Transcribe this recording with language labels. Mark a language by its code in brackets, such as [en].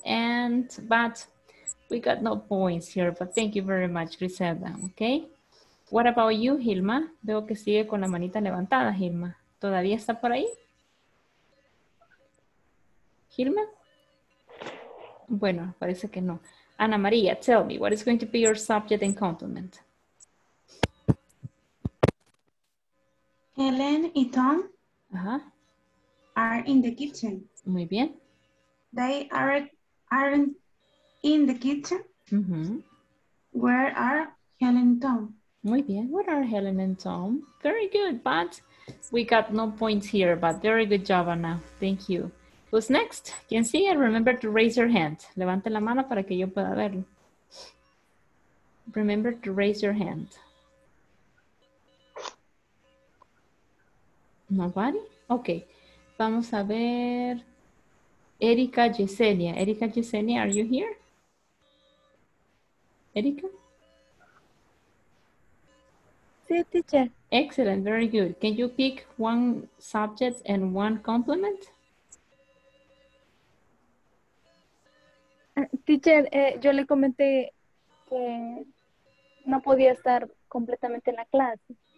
[en] And but we got no points here, but thank you very much, Griselda. Okay. What about you, Gilma? [es] Veo que sigue con la manita levantada, Gilma. ¿Todavía está por ahí? Gilma? Bueno, parece que no. [en] Ana María, tell me, what is going to be your subject and complement? [es] Helen y Tom uh-huh. [en] are in the kitchen. [es] Muy bien. [en] They aren't in the kitchen. Uh-huh. Where are Helen and Tom? [es] Muy bien. [en] Where are Helen and Tom? Very good, but we got no points here, but very good job, Ana. Thank you. Who's next? [es] ¿Quién sigue? [en] Remember to raise your hand. [es] Levante la mano para que yo pueda verlo. [en] Remember to raise your hand. Nobody? Okay. [es] Vamos a ver. [en] Erika Yesenia. Erika Yesenia, are you here? Erika? [es] Sí, teacher. [en] Excellent. Very good. Can you pick one subject and one complement? [es] Teacher, yo le comenté que no podía estar completamente en la clase.